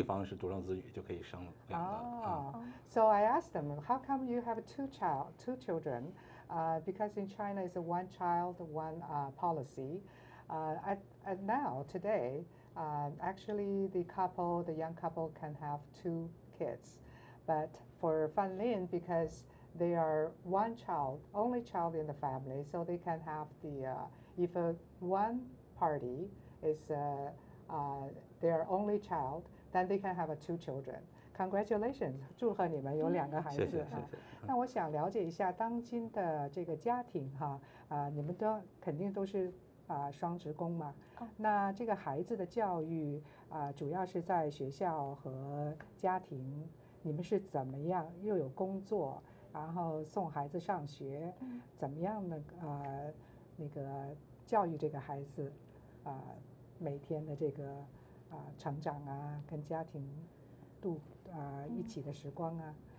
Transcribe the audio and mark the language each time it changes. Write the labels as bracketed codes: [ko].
[zh] 那我想了解一下，你们怎么是有两个孩子呀？中国不是一胎吗？一胎制吗？现在就是中国政府就是现在对这个计划生育这个政策也放开了。然后呢，因为我们两个本身就是独生子女这一代，然后现在就是允许我们独生，如果两方只要有一方是独生子女就可以生两个。So [en] I asked them, how come you have two children? Because in China is a one child, one policy. Actually the young couple can have two kids. But for Fan Lin, because they are one child, only child in the family, so they can have the, if one party is their only child, 但 they can have two children. Congratulations, [zh] 祝贺你们有两个孩子。谢谢谢谢。那我想了解一下当今的这个家庭哈，你们都肯定都是双职工嘛。那这个孩子的教育主要是在学校和家庭，你们是怎么样又有工作然后送孩子上学，怎么样的那个教育这个孩子每天的这个成长啊，跟家庭度一起的时光啊。